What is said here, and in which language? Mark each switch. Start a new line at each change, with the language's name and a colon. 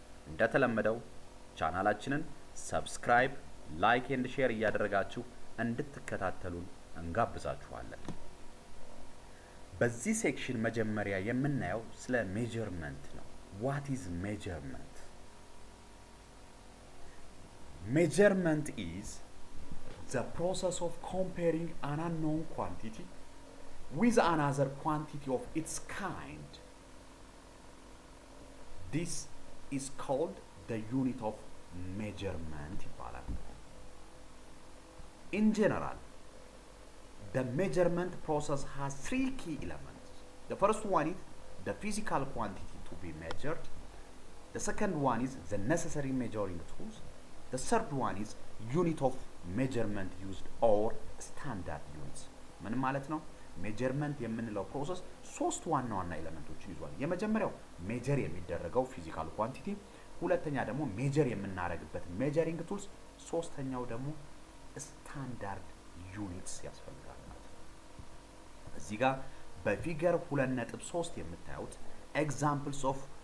Amharic: እንደተለመደው ቻናላችንን ሰብስክራይብ፣ ላይክ ኤንድ ሼር እያደረጋችሁ እንድትከታተሉን እንጋብዛችኋለን። በዚህ ሴክሽን መጀመሪያ የምናየው ስለ ሜጀርመንት ነው።
English: What is measurement? Measurement is the process of comparing an unknown quantity with another quantity of its kind. This is called the unit of measurement. In general, the measurement process has three key elements. The first one is the physical quantity to be measured. The second one is the necessary measuring tools. The third one is unit of measurement used or standard units.
Amharic: ምን ማለት ነው? measurement የምንለው process ሶስት ዋና ዋና elementsዎችን ይዟል። የመጀመሪያው measure የሚደረገው physical quantity፣ ሁለተኛ ደግሞ measure የምናረግበት measuring tools፣ ሶስተኛው ደግሞ standard units ያስፈልጋል። እዚጋ በፊገር 2.3 የምታዩት examples of